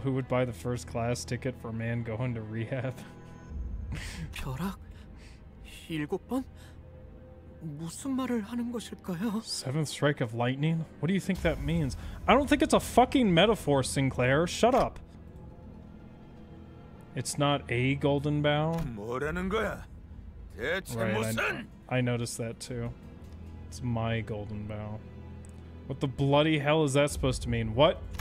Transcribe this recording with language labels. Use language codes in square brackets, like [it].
[en] Who would buy the first class ticket for a man going to rehab? [ko] 벼락? 일곱 번? 무슨 말을 하는 것일까요? [en] Seventh strike of lightning? What do you think that means? I don't think it's a fucking metaphor, Sinclair. Shut up. It's not a golden bough? [ko] 뭐라는 거야? 대체 무슨... [en] I noticed that too. It's my golden bough. What the bloody hell is that supposed to mean? What?